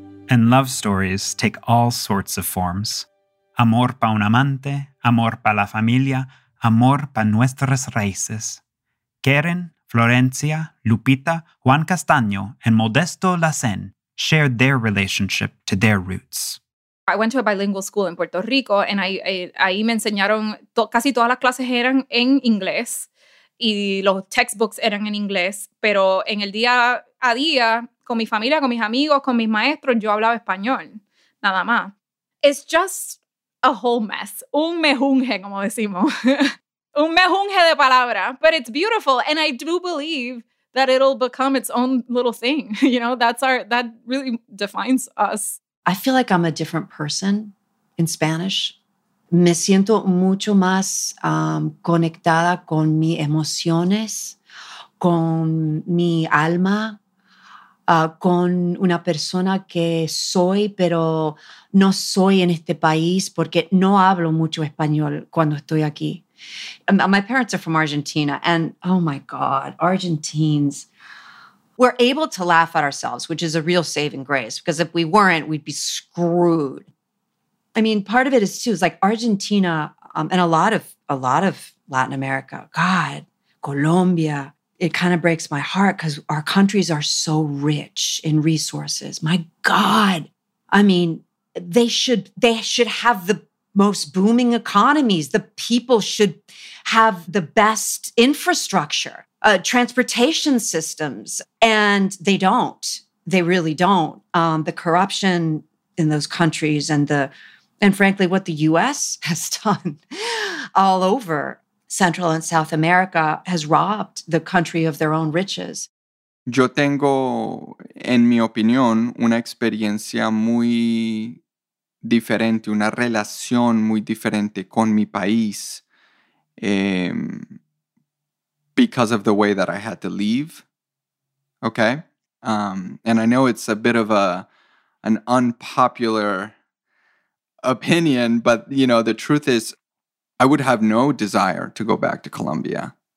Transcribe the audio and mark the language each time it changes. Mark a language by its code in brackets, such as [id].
[en] And love stories take all sorts of forms. [es] Amor pa un amante, amor pa la familia, amor pa nuestras raíces. [en] Karen, Florencia, Lupita, Juan Castaño, and Modesto Lacen shared their relationship to their roots. I went to a bilingual school in Puerto Rico, and [es] ahí me enseñaron, casi todas las clases eran en inglés, y los textbooks eran en inglés, pero en el día a día, con mi familia, con mis amigos, con mis maestros, yo hablaba español, nada más. [en] It's just a whole mess. [es] Un mejunje, como decimos. Un mejunje de palabra. [en] But it's beautiful. And I do believe that it'll become its own little thing. You know, that really defines us. I feel like I'm a different person in Spanish. [es] Me siento mucho más conectada con mis emociones, con mi alma, con una persona que soy, pero no soy en este país porque no hablo mucho español cuando estoy aquí. [en] My parents are from Argentina, and oh my God, Argentines. We're able to laugh at ourselves, which is a real saving grace, because if we weren't, we'd be screwed. I mean, part of it is too, it's like Argentina and a lot of Latin America, God, Colombia, it kind of breaks my heart because our countries are so rich in resources. My God, I mean, they should have the most booming economies. The people should have the best infrastructure, transportation systems, and they don't. They really don't. The corruption in those countries and frankly, what the U.S. has done all over Central and South America has robbed the country of their own riches. [es] Yo tengo, en mi opinión, una experiencia muy diferente, una relación muy diferente con mi país. [en] Because of the way that I had to leave. Okay? And I know it's a bit of an unpopular opinion, but, you know, the truth is I would have no desire to go back to Colombia.